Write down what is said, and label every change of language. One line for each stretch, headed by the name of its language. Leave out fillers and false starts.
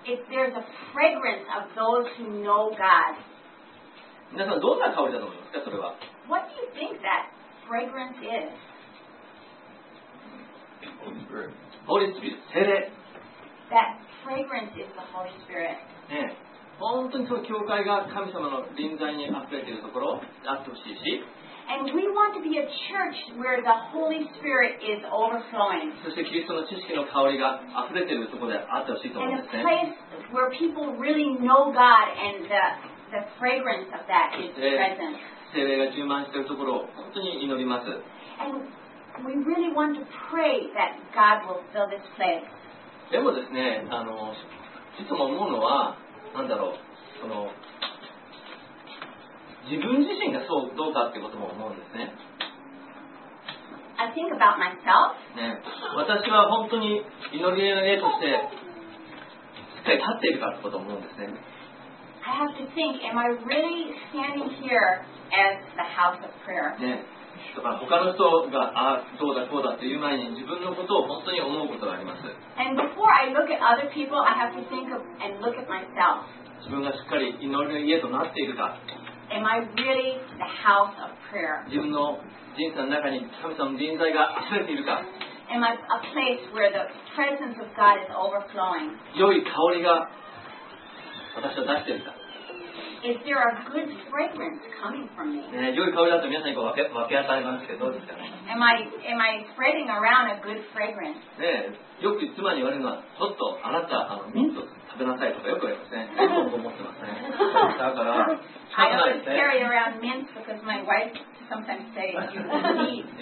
English: There's a fragrance of those who know God.
Japanese: 皆さんどんな香りだと思いますか、それは。
English: What do you think that fragrance is? Holy Spirit. Holy Spirit. 聖霊。 That fragrance is the Holy Spirit. ね。
Japanese: 本当に教会が神様の臨在に溢れているところであってほしいし、
English: And we want to be a church where the Holy Spirit is overflowing.
Japanese: そしてキリストの知識の香りが溢れているところであってほしいと思うんですね。
English: And a place where people really know God and the fragrance of that is present.
Japanese: 聖霊が充満しているところを本当に祈ります。
English: And we really want to pray that God will fill this place.
Japanese: でもですね、いつも思うのは、なんだろう、その自分自身がそうどうかってことも思うんですね。
English: I think about myself.
Japanese: ね、私は本当に祈りの家としてしっかり立っているかってことも思うんですね。
English: I have to think, am I really standing here as the house of prayer?
Japanese: ね、だから他の人がああどうだこうだっていう前に自分のことを本当に思うことがあります。
English: And before I look at other people, I have to think of and look at myself.
Japanese: 自分がしっかり祈りの家となっているか。
English: Am I really the house of prayer?
Japanese: 自分の人生の中に神様の臨在が溢れているか。
English: Am I a place where the presence of God is overflowing?
Japanese: 良い香りが私は出しているか。
English: Is there a good fragrance coming from me?
Japanese: 良い香りだと皆さんに分け与えますけど、どうですか。
English: Am I spreading around a good fragrance?
Japanese: よく妻に言われるのは、ちょっとあなたミント食べなさいとかよく言われますね。そう思ってますね。だから、
English: I always carry around mints because my wife sometimes says you need.